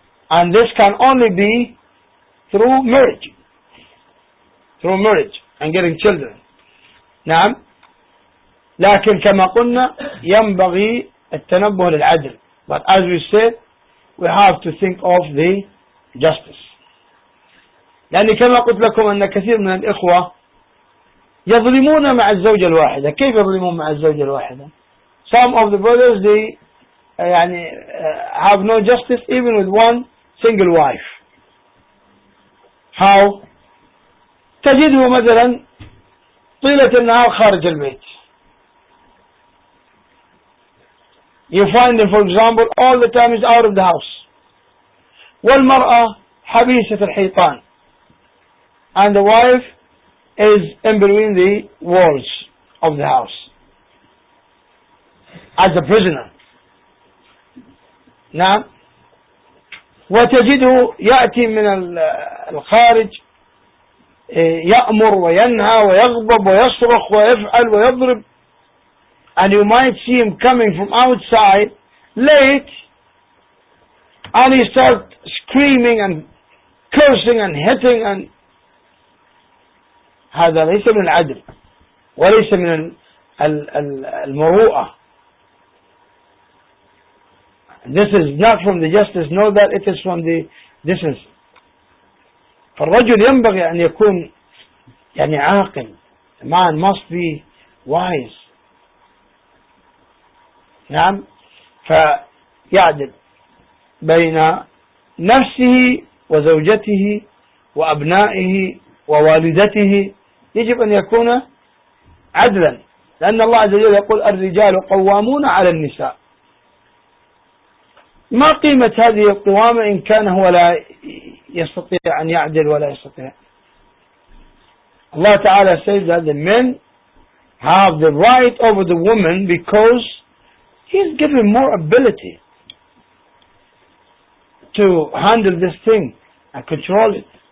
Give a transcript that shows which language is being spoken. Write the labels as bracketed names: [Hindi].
[English] And this can only be through marriage and getting children. [Arabic] Naam. لكن كما قلنا ينبغي التنبه للعدل. [English] But as we said, we have to think of the justice. [Arabic] لأن كما قلت لكم أن كثير من الإخوة يظلمون مع الزوجة الواحدة. كيف يظلمون مع الزوجة الواحدة؟ [English] Some of the brothers they have no justice even with one single wife. [Arabic] هاو تجده مثلا طيلة النهار خارج البيت. [English] You find him, for example, all the time is out of the house. [Arabic] والمرأة حبيسة الحيطان. [English] And the wife is in between the walls of the house. As a prisoner. [Arabic] نعم. وتجده يأتي من الخارج يأمر وينهى ويغضب ويصرخ ويفعل ويضرب. [English] And you might see him coming from outside late, and he starts screaming and cursing and hitting. And [Arabic] هذا ليس من العدل وليس من المروءة. [English] This is not from the justice, know that it is from the decency. [Arabic] فالرجل ينبغي أن يكون يعني عاقل. [English] The man must be wise. [Arabic] نعم. فيعدل بين نفسه وزوجته وأبنائه ووالدته. يجب أن يكون عدلا، لأن الله عز وجل يقول الرجال قوامون على النساء. ما قيمة هذه القوامة إن كان هو لا يستطيع أن يعدل ولا يستطيع؟ الله تعالى [English] says that the men have the right over the woman because he's given more ability to handle this thing and control it.